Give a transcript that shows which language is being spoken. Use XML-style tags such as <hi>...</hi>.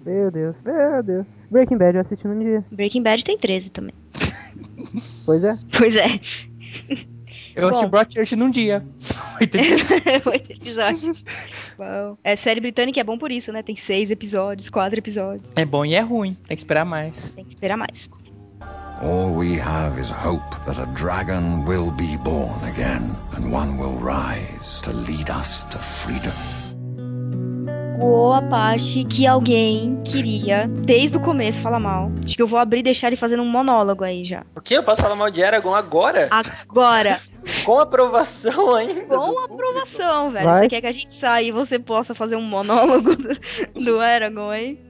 <pt>Meu Deus, meu Deus. Breaking Bad eu assisti num dia. Breaking Bad tem 13 também. Pois é. Pois é. Eu assisti Broadchurch num dia. 8 episódios. É, série britânica é bom por isso, né? Tem 6 episódios, 4 episódios. É bom e é ruim. Tem que esperar mais. Tem que esperar mais.</pt> <en>All we have is hope that a dragon will be born again and one will rise to lead us to freedom.</en> <pt>Boa parte que alguém queria, desde o começo, falar mal. Acho que eu vou abrir e deixar ele fazendo um monólogo aí já. O quê? Eu posso falar mal de Aragorn agora? Agora. Com aprovação ainda. Com aprovação, público. Velho. Vai. Você quer que a gente saia e você possa fazer um monólogo do Aragorn, hein?</pt>